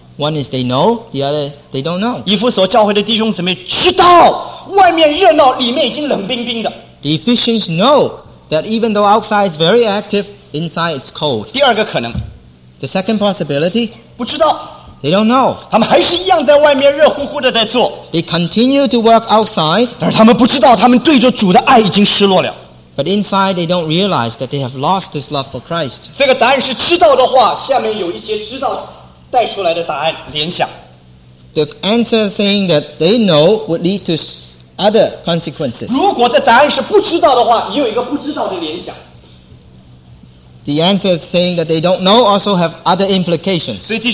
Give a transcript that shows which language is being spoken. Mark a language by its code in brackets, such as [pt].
[en] One is they know, the other is they don't know. [zh] 以弗所教会的弟兄姊妹知道, 外面热闹, 里面已经冷冰冰的。 [en] The Ephesians know that even though outside is very active, inside it's cold. [zh] 第二个可能, [en] the second possibility, [zh] 不知道。 [en] They don't know. [zh] 他们还是一样在外面热乎乎的在做。 [en] They continue to work outside. [zh] 但是他们不知道他们对着主的爱已经失落了。 [en] But inside they don't realize that they have lost this love for Christ. [zh] 这个答案是知道的话, 下面有一些知道带出来的答案联想。 [en] The answer saying that they know would lead to other consequences. [zh] 如果这答案是不知道的话, 也有一个不知道的联想。 [en] The answer is saying that they don't know also have other implications.